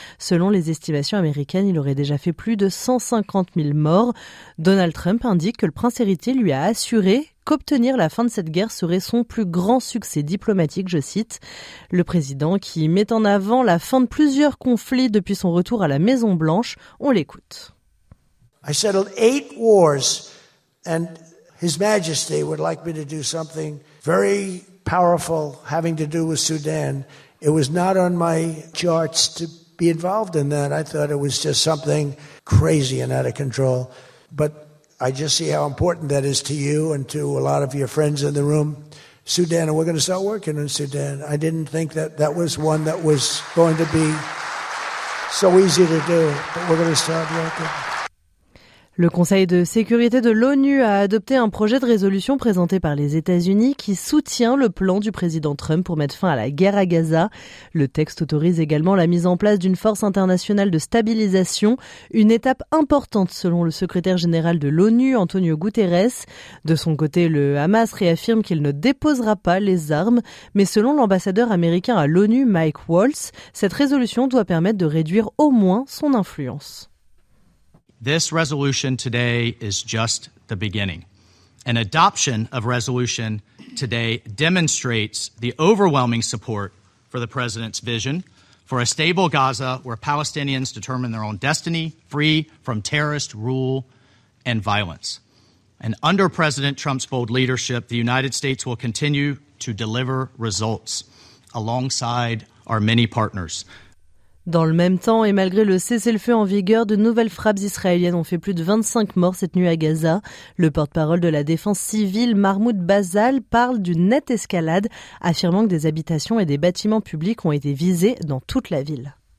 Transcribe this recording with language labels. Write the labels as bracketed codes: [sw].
[fr] Selon les estimations américaines, il aurait déjà fait plus de 150 000 morts. Donald Trump indique que le prince héritier lui a assuré qu'obtenir la fin de cette guerre serait son plus grand succès diplomatique, je cite. Le président qui met en avant la fin de plusieurs conflits depuis son retour à la Maison-Blanche, on l'écoute. [en] I settled 8 wars and His Majesty would like me to do something very powerful having to do with Sudan. It was not on my charts to be involved in that. I thought it was just something crazy and out of control. But I just see how important that is to you and to a lot of your friends in the room. Sudan, and we're going to start working in Sudan. I didn't think that that was one that was going to be so easy to do, but we're going to start working. [fr] Le Conseil de sécurité de l'ONU a adopté un projet de résolution présenté par les États-Unis qui soutient le plan du président Trump pour mettre fin à la guerre à Gaza. Le texte autorise également la mise en place d'une force internationale de stabilisation, une étape importante selon le secrétaire général de l'ONU, Antonio Guterres. De son côté, le Hamas réaffirme qu'il ne déposera pas les armes, mais selon l'ambassadeur américain à l'ONU, Mike Waltz, cette résolution doit permettre de réduire au moins son influence. [en] This resolution today is just the beginning. An adoption of resolution today demonstrates the overwhelming support for the president's vision for a stable Gaza where Palestinians determine their own destiny, free from terrorist rule and violence. And under President Trump's bold leadership, the United States will continue to deliver results alongside our many partners. [fr] Dans le même temps, et malgré le cessez-le-feu en vigueur, de nouvelles frappes israéliennes ont fait plus de 25 morts cette nuit à Gaza. Le porte-parole de la défense civile, Mahmoud Bazal, parle d'une nette escalade, affirmant que des habitations et des bâtiments publics ont été visés dans toute la ville.